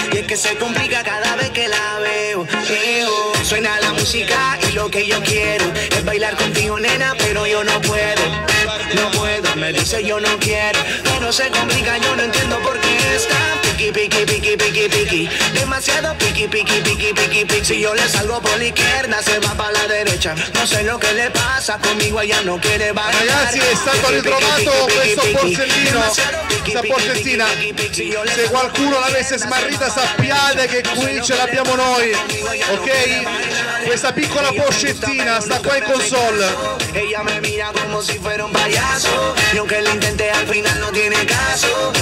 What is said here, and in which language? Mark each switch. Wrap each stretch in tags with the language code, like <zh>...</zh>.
<es>Y es que se complica cada vez que la veo. Suena la música y lo que yo quiero es bailar contigo, nena, pero yo no puedo. No puedo, me dice yo no quiero. Pero se complica, yo no entiendo por qué está. Piki, piki, piki, piki, piki. Demasiado piki, piki, piki, piki, piki. Si yo le salgo por la izquierda, se va para la derecha. No sé lo que le pasa conmigo, ella no quiere bailar.</es> <it>Ragazzi, è stato ritrovato questo porcellino, questa porcellina. Se qualcuno l'avesse smarrita, sappiate che qui ce l'abbiamo noi. Ok? Questa piccola porcellina sta qua in console.</it> <es>Ella me mira come se fuera un payaso. Y aunque lo intenté, al final no tiene caso.</es>